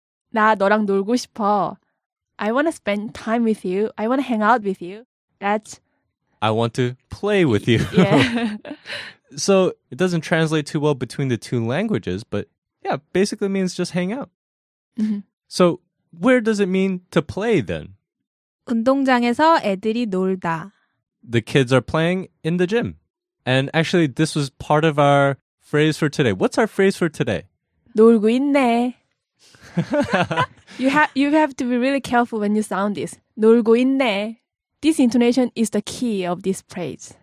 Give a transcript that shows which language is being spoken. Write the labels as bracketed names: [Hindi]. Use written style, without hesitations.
[Korean] 나 너랑 놀고 싶어. [English] I want to spend time with you. I want to hang out with you. That's... I want to play with you. So it doesn't translate too well between the two languages, but yeah, basically means just hang out. Mm-hmm. So where does it mean to play then? [Korean] 운동장에서 애들이 놀다. [English] The kids are playing in the gym. And actually, this was part of our phrase for today. What's our phrase for today? [Korean] 놀고 있네. [English] You have to be really careful when you sound this. [Korean] 놀고 있네. [English] This intonation is the key of this phrase.